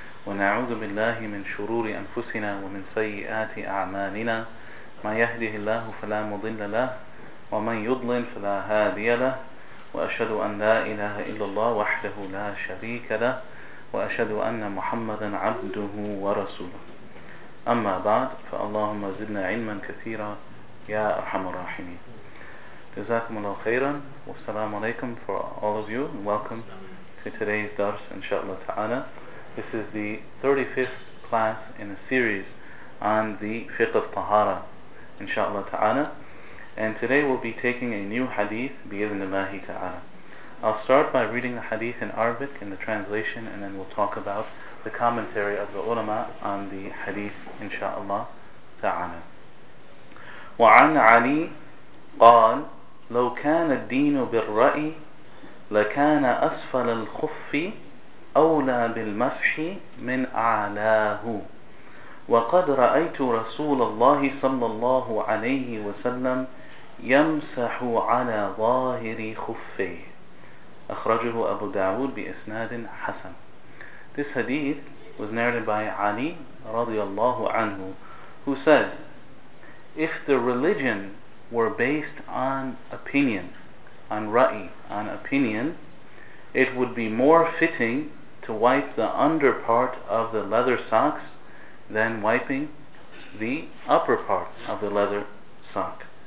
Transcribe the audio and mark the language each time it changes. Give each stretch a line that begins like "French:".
Arabic: ونعوذ بالله من شرور أنفسنا ومن سيئات أعمالنا، ما يهده الله فلا مضل له، ومن يضلل فلا هادي له. وأشهد أن لا إله إلا الله وحده لا شريك له، وأشهد أن محمدا عبده ورسوله. أما بعد، فاللهم زدنا علما كثيرا يا أرحم الراحمين. جزاكم الله خيرا، والسلام عليكم
English: for all of you, and welcome to today's Dars
Arabic: إن شاء الله تعالى.
English: This is the 35th class in a series on the Fiqh of Tahara
Arabic: إن شاء الله تعالى.
English: And today we'll be taking a new hadith
Arabic: بإذن الله تعالى.
English: I'll start by reading the hadith in Arabic in the translation, and then we'll talk about the commentary of the ulama on the hadith, insha'Allah ta'ala.
Arabic: وعن علي قال لو كان الدين بالرأي لكان أسفل الخف أولى بالمفح من أعلاه وقد رأيت رسول الله صلى الله عليه وسلم يمسح على ظاهر خفيه. أخرجه أبو داود بإسناد حسن.
English: This hadith was narrated by Ali radiallahu anhu, who said, if the religion were based on opinion, on ra'i, on opinion, it would be more fitting to wipe the under part of the leather socks than wiping the upper part of the leather sock.